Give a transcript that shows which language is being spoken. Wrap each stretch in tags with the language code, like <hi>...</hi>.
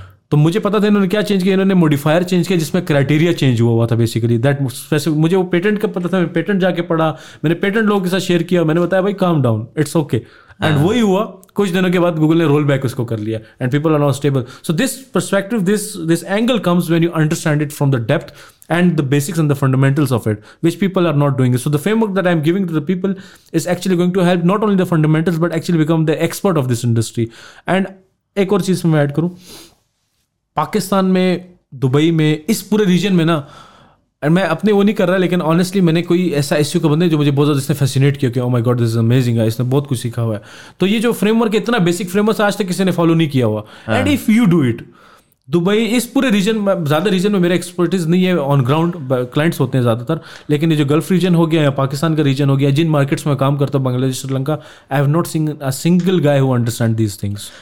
<ur>تو مجھے پتا تھا انہوں نے کیا چینج کیا, انہوں نے موڈیفائر چینج کیا جس میں کرائٹیریا چینج ہوا ہوا تھا بیسیکلی. دیٹ مجھے وہ پیٹنٹ کا پتا تھا, میں پیٹنٹ جا کے پڑھا, میں نے پیٹنٹ لوگوں کے ساتھ شیئر کیا, میں نے بتایا بھائی</ur> <en>calm down it's okay,</en> <ur>and وہی ہوا. کچھ دنوں کے بعد گوگل نے رول بیک اس کو کر لیا and</ur> <en>People are now stable. So this perspective, this angle comes when you understand it from the depth and the basics and the fundamentals of it, which people are not doing. So the framework that I am giving to the people is actually going to help not only the fundamentals but actually become the expert of this industry.</en> <ur>And ایک اور چیز میں add کروں, پاکستان میں, Dubai میں, اس پورے region میں نا اینڈ میں اپنے وہ نہیں کر رہا لیکن آنیسٹلی میں نے کوئی ایسا ایشو کا بندہ جو مجھے بہت زیادہ اس نے فیسینیٹ کیا کہ</ur> <en>oh my god this is amazing</en> <ur>ہے, اس نے بہت کچھ سیکھا ہوا ہے. تو یہ جو فریم ورک ہے اتنا بیسک فریم ورک آج تک کسی نے فالو نہیں کیا ہوا.</ur> <en>and if you do it</en> <ur>Dubai اس پورے ریجن میں, زیادہ ریجن میں میرا ایکسپرٹیز نہیں ہے, آن گراؤنڈ کلائنٹس ہوتے ہیں زیادہ تر, لیکن یہ جو گلف ریجن ہو گیا یا پاکستان کا ریجن ہو گیا جن مارکیٹس میں کام کرتا ہوں بنگلہ دیش Sri Lanka,</ur> <en>I have not seen a single guy who understand these things.</en>